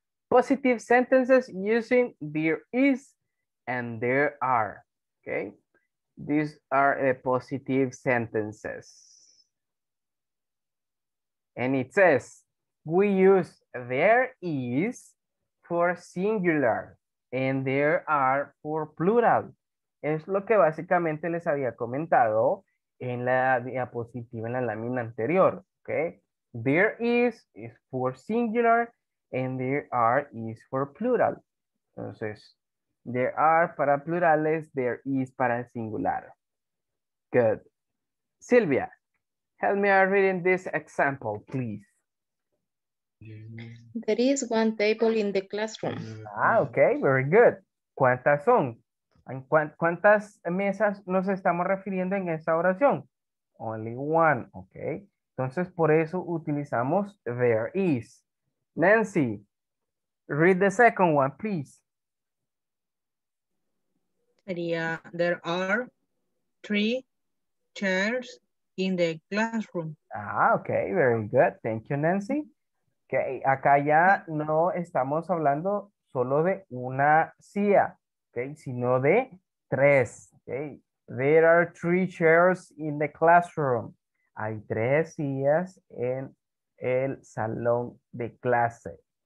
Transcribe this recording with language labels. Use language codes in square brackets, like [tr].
[en] Positive sentences using there is and there are. Okay, these are the positive sentences, and it says we use there is for singular and there are for plural. [es] Es lo que básicamente les había comentado en la diapositiva, en la lámina anterior. [en] Okay, there is for singular and there are is for plural. [es] Entonces, there are para plurales, there is para singular. Good. [en] Silvia, help me out reading this example, please. There is one table in the classroom. Ah, okay, very good. ¿Cuántas son? [es] ¿Cuántas mesas nos estamos refiriendo en esta oración? Only one, okay. Entonces, por eso utilizamos there is. [en] Nancy, read the second one, please. There are three chairs in the classroom. Ah, okay, very good. Thank you, Nancy. [es] Okay, acá ya no estamos hablando solo de una silla, okay, sino de tres. [en] Okay, there are three chairs in the classroom. [es] Hay tres sillas en el salón de clase.